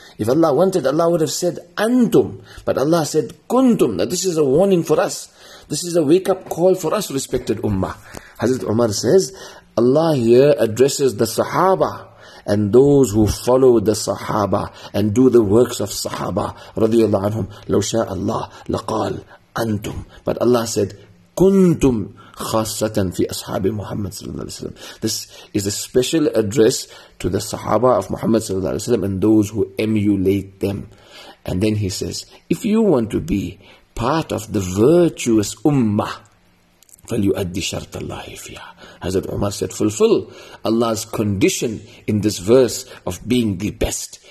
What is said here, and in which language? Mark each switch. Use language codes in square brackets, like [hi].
[en] If Allah wanted, Allah would have said antum. But Allah said kuntum. Now this is a warning for us. This is a wake-up call for us, respected ummah. Hazrat Umar says, Allah here addresses the Sahaba and those who follow the Sahaba and do the works of Sahaba radiyallahu anhum. [ar] لو شاء الله لقال أنتم. [en] But Allah said, [ar] كنتم خاصة في أصحاب محمد صلى الله عليه وسلم. [en] This is a special address to the Sahaba of Muhammad [ar] صلى الله عليه وسلم [en] and those who emulate them. And then he says, if you want to be part of the virtuous ummah, [ar] فَلْيُؤَدِّ شَرْطَ اللَّهِ فِيهَا. [en] Hazrat Umar said, fulfill Allah's condition in this verse of being the best.